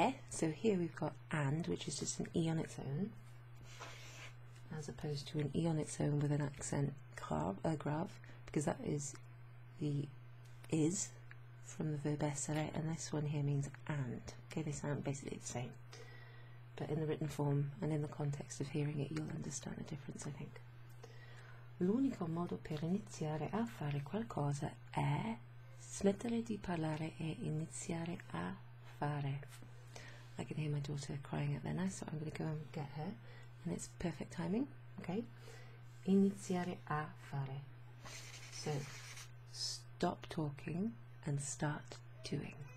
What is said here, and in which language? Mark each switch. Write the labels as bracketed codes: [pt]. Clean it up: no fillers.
[en] So here we've got and, which is just an E on its own, as opposed to an E on its own with an accent grave, because that is the is from the verb essere, and this one here means and. Okay, they sound basically the same. But in the written form, and in the context of hearing it, you'll understand the difference, I think. [it] L'unico modo per iniziare a fare qualcosa è smettere di parlare e iniziare a fare. [en] I can hear my daughter crying out there now, so I'm going to go and get her. And it's perfect timing, okay? [it] Iniziare a fare. [en] So, stop talking and start doing.